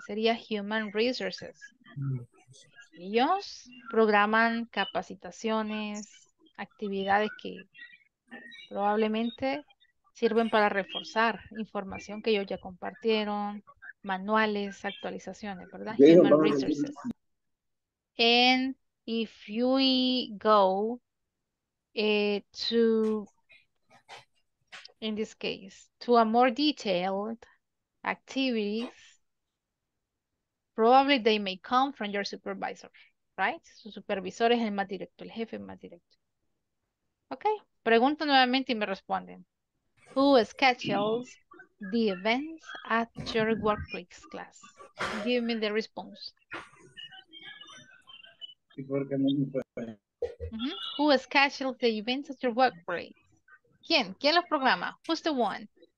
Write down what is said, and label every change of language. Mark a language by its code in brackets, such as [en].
[es] Sería Human Resources. Ellos programan capacitaciones, actividades que probablemente sirven para reforzar información que ellos ya compartieron, manuales, actualizaciones, ¿verdad? [en] Human Resources. And if we go to, in this case, to a more detailed activities, probably they may come from your supervisor, right? [es] Su supervisor es el más directo, el jefe más directo. Okay, pregunto nuevamente y me responden. [en] Who schedules the events at your workplace class? Give me the response. Who schedules the events at your workplace? [es] ¿Quién? ¿Quién los programa? [en] Who's the one?